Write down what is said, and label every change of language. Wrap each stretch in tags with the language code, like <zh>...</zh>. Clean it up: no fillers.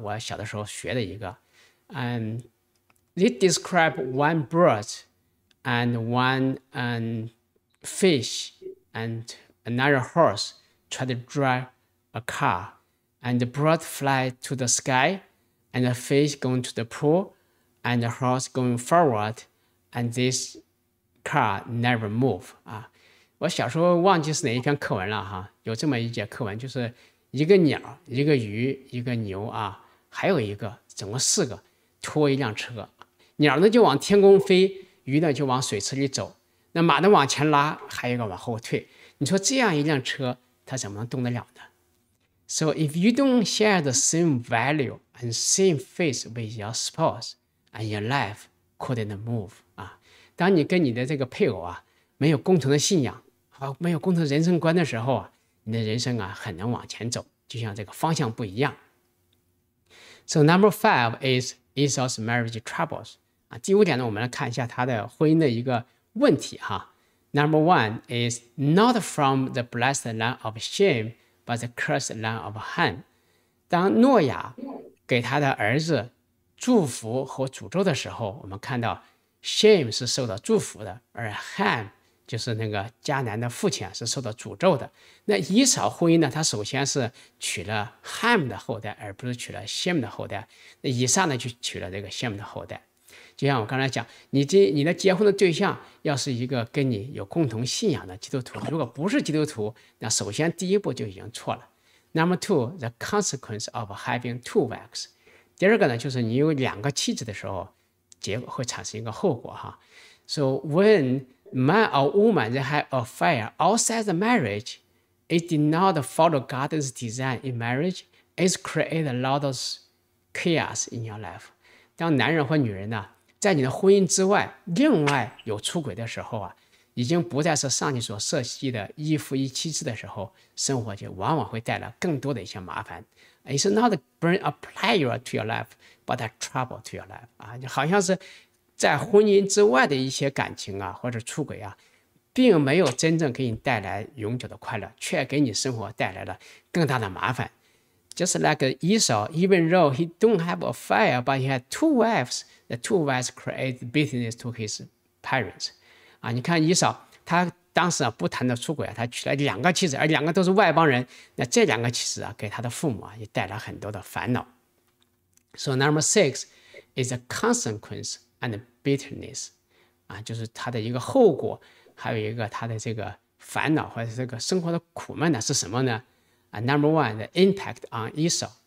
<zh>我小的时候学的一个</zh> <en>，they describe one bird and one fish and another horse try to drive a car, and the bird fly to the sky, and the fish going to the pool, and the horse going forward, and this car never move 啊！</en> <zh>我小时候忘记是哪一篇课文了哈，有这么一节课文就是。一个鸟一个鱼一个牛啊，还有一个总共四个拖一辆车，鸟呢就往天空飞，鱼呢就往水池里走，那马呢往前拉，还有一个往后退，你说这样一辆车它怎么能动得了呢</zh> <en>So if you don't share the same value and same faith with your spouse and your life couldn't move</en> <zh>啊，当你跟你的这个配偶啊没有共同的信仰没有共同人生观的时候啊，你的人生啊很难往前走，就像这个方向不一样。</zh> <en>So number five is Esau's marriage troubles.</en> <zh>第五点呢，我们来看一下他的婚姻的一个问题哈。</zh> <en>Number one is not from the blessed land of Shem, but the cursed land of Ham.</en> <zh>当诺亚给他的儿子祝福和诅咒的时候，我们看到 Shem 是受到祝福的，而 Ham。就是那个迦南的父亲是受到诅咒的。那以扫婚姻呢，他首先是娶了 Ham 的后代，而不是娶了 Shem 的后代。那以撒呢就娶了这个 Shem 的后代。就像我刚才讲，你的结婚的对象要是一个跟你有共同信仰的基督徒，如果不是基督徒，那首先第一步就已经错了。</zh> <en>Number two, the consequence of having two wives.</en> <zh>第二个呢，就是你有两个妻子的时候，结果会产生一个后果哈。</zh> <en>So whenMan or woman that had an affair outside the marriage, it did not follow God's design in marriage. It created a lot of chaos in your life.</en> <zh>当男人或女人呢在你的婚姻之外另外有出轨的时候啊，已经不再是上帝所设计的一夫一妻制的时候，生活就往往会带来更多的一些麻烦。</zh> <en>It's not bring a pleasure to your life,</en> <zh>but a trouble to your life、啊、就好像是在婚姻之外的一些感情啊，或者出轨啊，并没有真正给你带来永久的快乐，却给你生活带来了更大的麻烦。</zh> <en>Just like Esau, even though he don't have a fire, but he had two wives, the two wives create business to his parents.</en> <zh>啊、你看以扫他当时、啊、不谈的出轨、啊、他娶了两个妻子，而两个都是外邦人，那这两个妻子、啊、给他的父母、啊、也带来很多的烦恼。</zh> <en>So number six is a consequence and bitterness、</en> <zh>啊、就是他的一个后果，还有一个他的这个烦恼或者这个生活的苦闷呢是什么呢、啊、</zh> <en>Number one, the impact on Esau。</en>